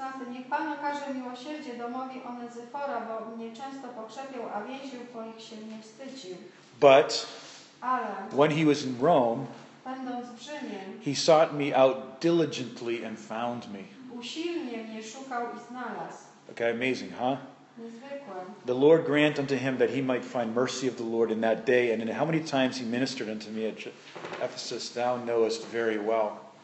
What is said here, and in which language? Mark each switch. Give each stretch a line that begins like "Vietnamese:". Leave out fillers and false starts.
Polish: Niech Pan okaże miłosierdzie domowi Onezyfora, bo mnie często pokrzepiał, a więził twoich się nie wstydził.
English: But
Polish: ale
English: when he was in Rome,
Polish: będąc w Rzymie,
English: he sought me out diligently and found me.
Polish: Usilnie mnie szukał i znalazł.
English: Okay, amazing, huh?
Polish: Niezwykłe.
English: The Lord grant unto him that he might find mercy of the Lord in that day, and in how many times he ministered unto me at Ephesus, thou knowest very well.